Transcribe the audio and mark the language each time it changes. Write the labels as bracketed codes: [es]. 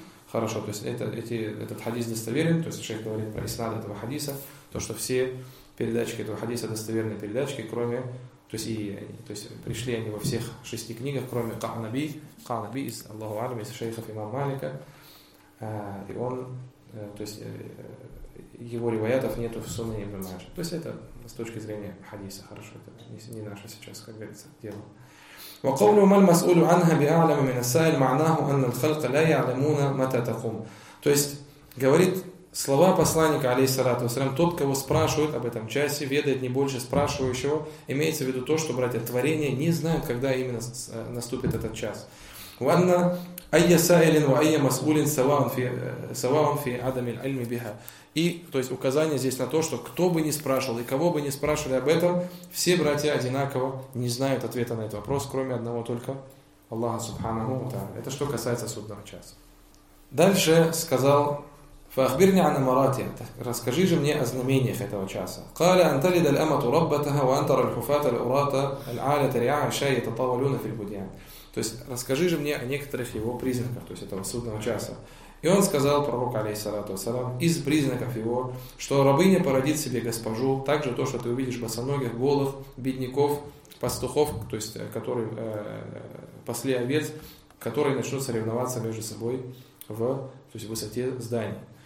[ru] Хорошо, то есть этот хадис достоверен, то есть шейх говорит про иснад этого хадиса, то, что все передачки этого хадиса достоверные передачки, кроме, то есть пришли они во всех шести книгах, кроме Ка'наби. Ка'наби из Аллаху алям, из шейхов имам Малика. И он, то есть его риваятов нету в сунне ибн Маджа. То есть это с точки зрения хадиса, хорошо, это не наше сейчас, как говорится, дело. [ar] وقوله ما المسؤول عنها بأعلم من السائل معناه أن الخلق لا يعلمون متى تقوم. [ru] То есть говорит слова посланника алейхиссалату вассалям, тот, кого спрашивают об этом часе, ведает не больше спрашивающего, имеется в виду то, что братья творения не знают, когда именно наступит этот час. [ar] وأن أي سائل وأي مسؤول سواء في عدم العلم بها. [ru] И то есть указание здесь на то, что кто бы ни спрашивал и кого бы ни спрашивали об этом, все братья одинаково не знают ответа на этот вопрос, кроме одного только Аллаха Субханаху ва Тааля. Это что касается судного часа. Дальше сказал: [ar] فأخبرني عن أماراتي. [ru] Расскажи же мне о знамениях этого часа. [ar] قال أن تلد الأمة ربتها وأن ترى الحفاة الأراة العالة رعاء الشاة يتطاولون في البديان. [ru] То есть расскажи же мне о некоторых его признаках, то есть этого судного часа. И он сказал, пророк, алейхиссалату вассалям, из признаков его, что рабыня породит себе госпожу, также то, что ты увидишь босоногих, голых, бедняков, пастухов, то есть которые пасли овец, которые начнут соревноваться между собой в высоте зданий.